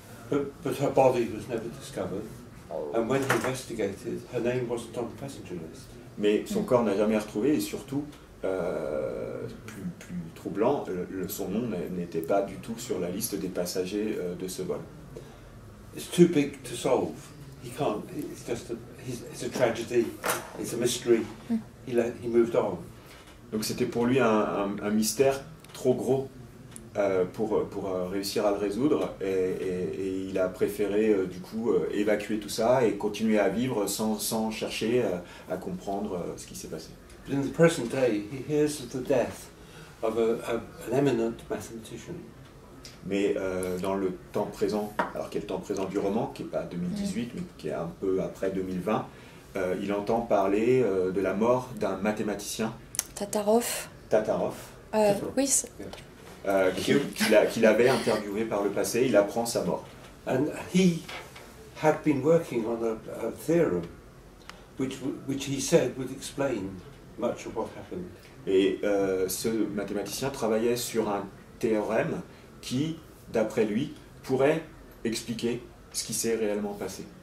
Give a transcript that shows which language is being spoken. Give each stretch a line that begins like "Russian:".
English: But her body was never discovered, and when he investigated, her name wasn't on the passenger list.
French: Mais son corps n'a jamais retrouvé, et surtout, plus troublant, son nom n'était pas du tout sur la liste des passagers de ce vol.
English: it's too big to solve. He can't. It's just a. He's, it's a tragedy. It's a mystery. He moved on.
French: Donc c'était pour lui un mystère trop gros pour réussir à le résoudre et il a préféré du coup évacuer tout ça et continuer à vivre sans chercher à comprendre ce qui s'est passé.
English: But in the present day, he hears of the death of an eminent mathematician.
French: Mais dans le temps présent, alors qui est le temps présent du roman, qui n'est pas 2018, mais qui est un peu après 2020, il entend parler de la mort d'un mathématicien. Tatarov. Oui. Qu'il avait interviewé par le passé, il apprend sa mort.
English: And he had been working on a theorem which he said would explain much of what happened.
French: Et ce mathématicien travaillait sur un théorème qui, d'après lui, pourrait expliquer ce qui s'est réellement passé.